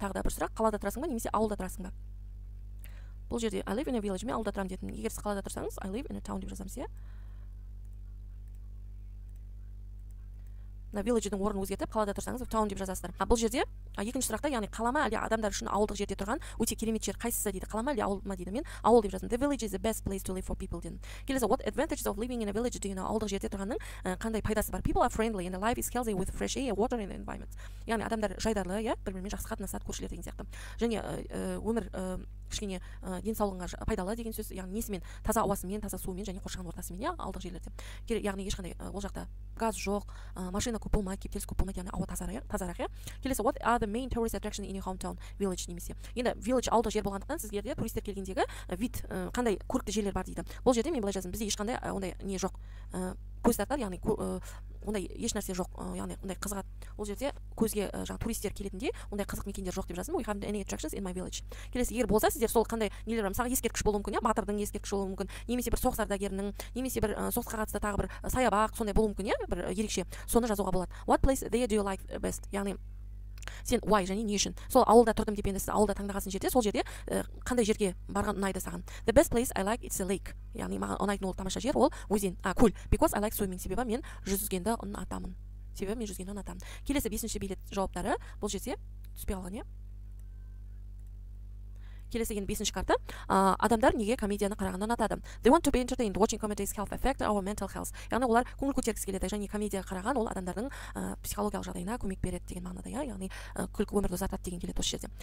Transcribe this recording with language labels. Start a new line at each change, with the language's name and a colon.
Kazakh: Тағы да бір сұрақ, қалада тұрасың ба, немесе ауылда тұрасың ба? Бұл жерде
English: I live in a village,
Kazakh: мен ауылда тұрамын дедім. Егер сіз қалада тұрсаңыз,
English: I live in a town
Kazakh: деп жазамыз, иә. На village-дің орнын өзгертіп, қалада тұрсаңыз, town деп жазасыздар. Бұл жерде екінші сұрақта, яғни қала ма, әлде адамдар үшін ауылдық жерде тұрған өте керемет жер қайсысы дейді? Қала ма, әлде ауыл ма дейді? Мен ауыл деп жаздым.
English: The village is the best place to live for people then.
Kazakh: Келесі,
English: what advantages of living in a village do you know?
Kazakh: Ауылдық жерде тұрғанның қандай пайдасы бар?
English: People are friendly and life is healthy with fresh air, water and environment.
Kazakh: Яғни адамдар жайдарлы, иә, бір-бірімен жақсы қатынасады, көршілер деген сияқты. Және өмір кішкене денсаулығыңа пайдалы деген сөз, яғни несімен? Таза ауасымен, таза суымен және қоршаған ортасымен, иә, ауылдық жерлерде. Яғни ешқандай ол жақта газ жоқ, машина көп болмайды, кептеліс көп болмайды, яғни ауа тазарақ, иә. Келесі,
English: what are the main tourist attraction in your hometown village?
Kazakh: Немесе енді village ауылдық жер болғандықтан сіздерге туристер келгендегі вид қандай көрікті жерлер бар дейді. Бұл жерде мен былай жаздым, бізде ешқандай ондай не жоқ, көз тартар, яғни ондай ешнәрсе жоқ, яғни ондай қызығады. Ол жерде көзге жаңа туристер келетіндей ондай қызық мекендер жоқ деп жаздым.
English: We haven't any attractions in my village.
Kazakh: Келесі, егер болса, сіздер сол қандай нелер бар, мысалы ескерткіш болуы мүмкін, иә, батырдың ескерткіші болуы мүмкін, немесе бір соғыс ардагерінің, немесе бір соғысқа қатысты тағы бір саябақ, сондай болуы мүмкін, иә, бір ерекше. Соны жазуға болады.
English: What place there do you like best?
Kazakh: Яғни сен why және не үшін сол ауылда тұрдым деп, енді сіз ауылда таңдағансың жерде, сол жерде қандай жерге барған ұнайды саған?
English: The best place I like, it's a lake.
Kazakh: Яғни маған ұнайтын ол тамаша жер, ол өзен, көл.
English: Because I like swimming,
Kazakh: себебі мен жүзгенді ұнатамын. Себебі мен жүзгенді ұнатамын. Келесі 5-ші билет жауаптары бұл жерде түспей қалған, иә. Келесі деген 5-ші карта. Адамдар неге комедияны қарағанды ұнатады?
English: They want to be entertained. Watching comedies help affect our mental health.
Kazakh: Яғни олар көңіл көтергісі келеді, және комедия қараған ол адамдардың психологиялық жағдайына көмек береді деген мағынада, иә. Яғни күлкі өмірді ұзартады деген келеді осы жерде.